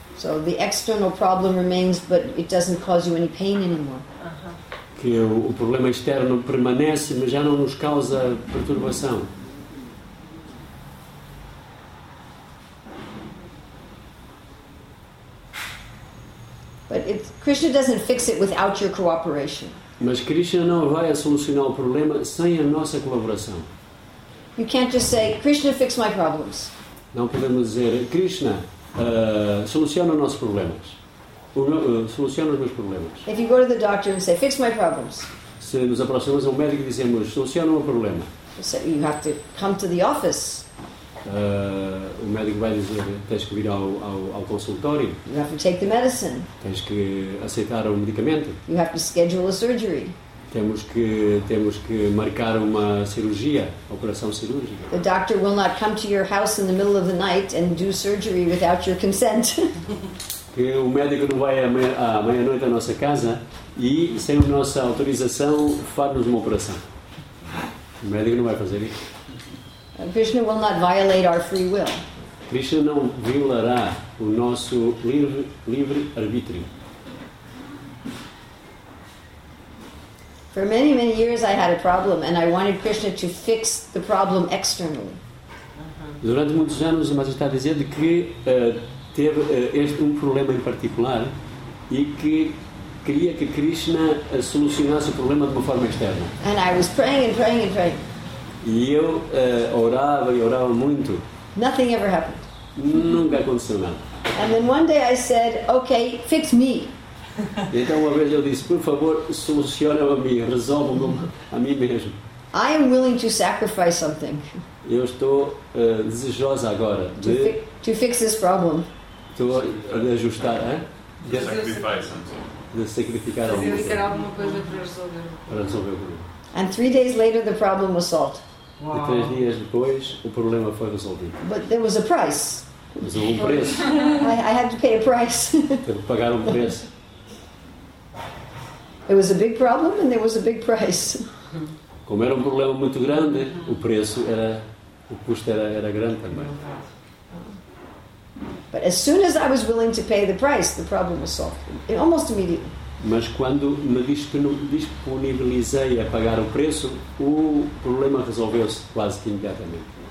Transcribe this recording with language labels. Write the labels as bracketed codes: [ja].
[en] So the external problem remains, but it doesn't cause you any pain anymore. [pt] Que o problema externo permanece, mas já não nos causa perturbação. [en] But if Krishna doesn't fix it without your cooperation. [pt] Mas Krishna não vai solucionar o problema sem a nossa colaboração. [en] You can't just say, Krishna, fix my problems. [pt] Não podemos dizer, Krishna, soluciona os nossos problemas. Soluciona os meus problemas. [en] If you go to the doctor and say, fix my problems. [pt] Se nos aproximamos ao médico e dizemos, soluciona o meu problema. [en] So you have to come to the office. [pt] O médico vai dizer, tens que vir ao consultório. [en] You have to take the medicine. [pt] Tens que aceitar o medicamento. [en] You have to schedule a surgery. [pt] Temos que marcar uma cirurgia, operação cirúrgica. [en] The doctor will not come to your house in the middle of the night and do surgery without your consent. [pt] Que o médico não vai à meia-noite à nossa casa e sem a nossa autorização faz-nos uma operação. O médico não vai fazer isso. [en] Krishna will not violate our free will. [pt] Krishna não violará o nosso livre arbítrio. [en] For many, many years I had a problem and I wanted Krishna to fix the problem externally. [pt] Durante muitos anos, mas está a dizer que teve este problema em particular e que queria que Krishna solucionasse o problema de uma forma externa. [en] And I was praying and praying and praying. [pt] E eu orava e orava muito. [en] Nothing ever happened. [pt] Nunca aconteceu nada. [en] And then one day I said, okay, fix me. [pt] Então uma vez eu disse, por favor, soluciona-me a mim, resolve-me a mim mesmo. [en] I am willing to sacrifice something. [pt] Eu estou desejosa agora de [en] to fix this problem. [pt] Estou a ajustar, hein? De sacrificar [en] something. [pt] De sacrificar alguma coisa para resolver. Para resolver o problema. [en] And 3 days later, the problem was solved. [pt] Wow. E 3 dias depois, o problema foi resolvido. [en] But there was a price. [pt] Mas houve preço. [en] I had to pay a price. [pt] Tive que pagar preço. [en] It was a big problem, and there was a big price. [pt] Como era problema muito grande, o preço era, o custo era grande também. [en] But as soon as I was willing to pay the price, the problem was solved. Almost immediately. [pt] Mas quando me disponibilizei a pagar o preço, o problema resolveu-se quase que imediatamente.